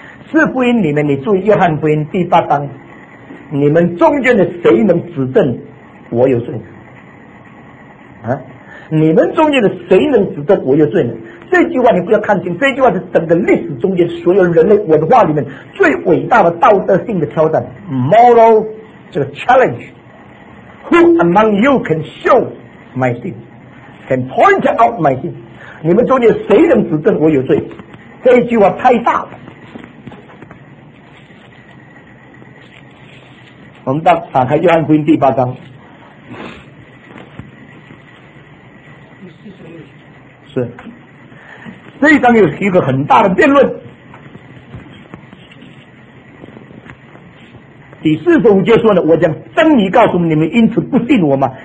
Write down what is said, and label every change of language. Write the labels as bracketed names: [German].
[Chinese] 四福音里面，你注意约翰福音第八章，你们中间的谁能指证我有罪呢？啊，你们中间的谁能指证我有罪呢？这句话你不要看清，这句话是整个历史中间所有人类文化里面最伟大的道德性的挑战 ， [English] moral [Chinese] 这个 [English] challenge。 Who among you can show my sin? Can point out my sin? [Chinese] 你们中间谁能指证我有罪？这句话太大了。我们打开约翰福音第八章，是这一章有一个很大的辩论，第四十五节说呢，我将真理告诉你们，因此不信我吗？